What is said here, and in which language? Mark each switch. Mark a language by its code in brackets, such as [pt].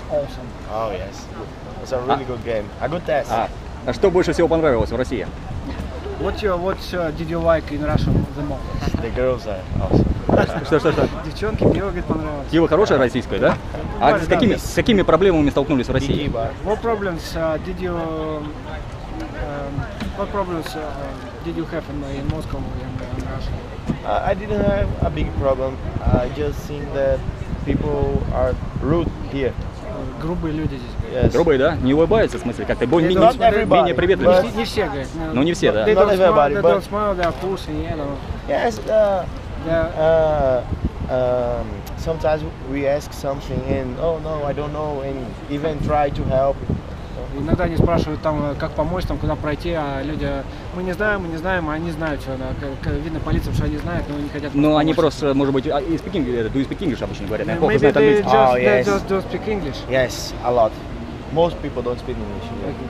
[en] Awesome. Oh yes, it was a really good game. A good test. [ru] А что больше всего понравилось в России? [en] Did you like in Russia the most? The girls are awesome. [ru] Что? Девчонки, пиво, говорит, понравилось. Пиво хорошее российское, да? А с какими проблемами столкнулись в России? [en] What problems did you have in Moscow and in Russia? I didn't have a big problem. I just seen that people are rude here. [ru] Грубые люди здесь. [en] Yes. [ru] Грубые, да? Не улыбаются, в смысле? Как-то менее приветливые. Не все, говорят. Ну, не все, да. [en] They don't smile, they don't smile, they are pushing, you know. Yes, sometimes we ask something and, oh, no, I don't know, and even try to help. [ru] Иногда они спрашивают там, как помочь, там, куда пройти, а люди, мы не знаем, а они знают, что она, видно по лицам, что они знают, но они хотят помочь. Ну, они просто, может быть, [en] do you speak English [ru] обычно говорят, наверное, плохо знают английский. [en] Maybe they just don't speak English. Yes, a lot. Most people don't speak English. Yeah.